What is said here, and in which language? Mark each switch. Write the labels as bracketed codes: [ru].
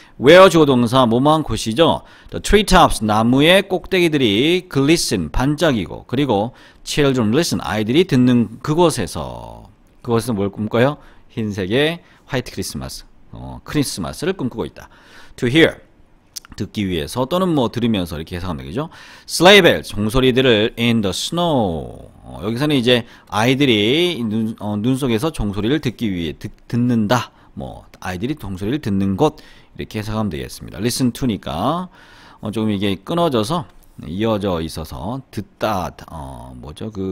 [ko] Where 주어 동사, 뭐뭐한 곳이죠? [en] The treetops, [ko] 나무의 꼭대기들이 glisten, 반짝이고, 그리고 [en] children listen, [ko] 아이들이 듣는 그곳에서 뭘 꿈꿔요? 흰색의 화이트 크리스마스, 크리스마스를 꿈꾸고 있다. [en] To hear. [ko] 듣기 위해서 또는 뭐 들으면서 이렇게 해석하는 거죠. [en] Sleigh bells, [ko] 종소리들을 [en] in the snow. [ko] 여기서는 이제 아이들이 눈 속에서 종소리를 듣기 위해 듣는다. 뭐 아이들이 종소리를 듣는 곳 이렇게 해석하면 되겠습니다. Listen to니까 조금 이게 끊어져서 이어져 있어서 듣다. 뭐죠?